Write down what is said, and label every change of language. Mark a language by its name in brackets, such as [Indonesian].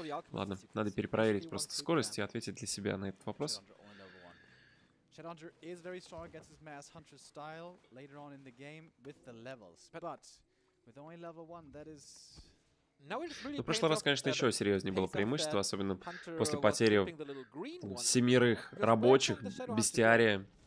[Russian] Ладно, надо перепроверить просто скорость и ответить для себя на этот вопрос. [English] Shadowhunter is very strong against his Mass Hunter style later on in the game with the levels. But with only level one, that is... [Russian] Ну, в прошлый раз, конечно, еще серьезнее было преимущество, особенно после потери семерых рабочих, бестиария.